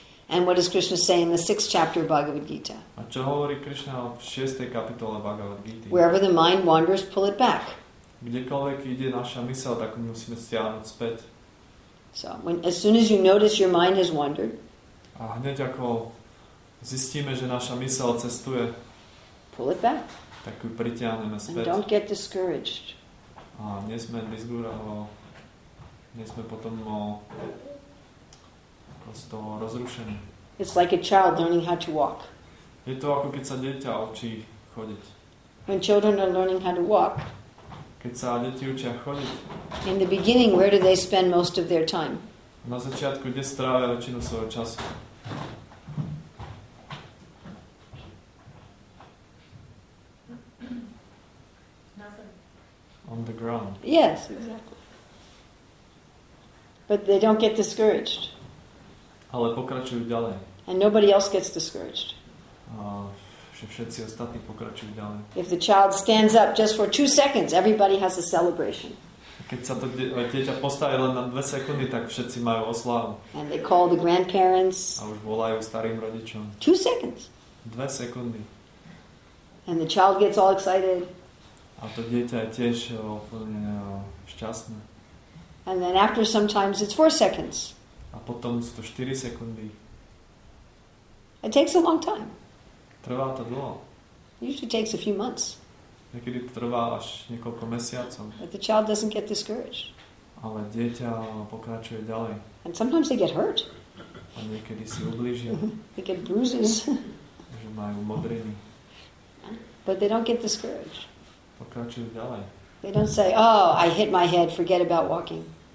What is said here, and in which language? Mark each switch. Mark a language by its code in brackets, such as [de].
[en] And what does Krishna say in the 6th chapter of Bhagavad Gita? [sk] A čo hovorí Krishna v 6. kapitole Bhagavad Gita? [en] Wherever the mind wanders, pull it back. [sk] Kdekoľvek ide naša mysel, tak musíme stiahnuť späť. [en] So, as soon as you notice your mind has wandered, [sk] a hneď ako zistíme, že naša mysel cestuje, [en] pull it back. [sk] Tak ju pritiahneme späť. [en] And don't get discouraged. [sk] A nesme disgúrovo my sme potom prosto rozrušení. [en] It's like a child learning how to walk. [sk] Je to ako keď sa dieťa učí chodiť. [en] When children are learning how to walk. [sk] Keď sa deti učia chodiť. [en] In the beginning, where do they spend most of their time? [sk] Na začiatku, kde strávia väčšinu svojho času? [en] On the ground. Yes, exactly. But they don't get discouraged. [sk] Ale pokračujú ďalej. [en] And nobody else gets discouraged. [sk] Všetci ostatní pokračujú ďalej. [en] If the child stands up just for 2 seconds, everybody has a celebration. [sk] Keď sa to dieťa postaví len na 2 sekundy, tak všetci majú oslavu. [en] And they call the grandparents. [sk] A už volajú starým rodičom. [en] 2 seconds. [sk] 2 sekundy. [en] And the child gets all excited. [sk] A to dieťa je tiež úplne šťastné. [en] And then after sometimes it's 4 seconds. [sk] A potom sú to 4 sekundy. [en] It takes a long time. [sk] Trvá to dlho. [en] Usually takes a few months. [sk] Niekedy to trvá až niekoľko mesiacov. [en] But the child doesn't get discouraged. [sk] Ale dieťa pokračuje ďalej. [en] And sometimes they get hurt. [sk] A niekedy si ublížia. [en] They get bruises. [sk] Že majú modriny. [en] But they don't get discouraged. [sk] Pokračujú ďalej. [en] They don't say, oh, I hit my head, forget about walking.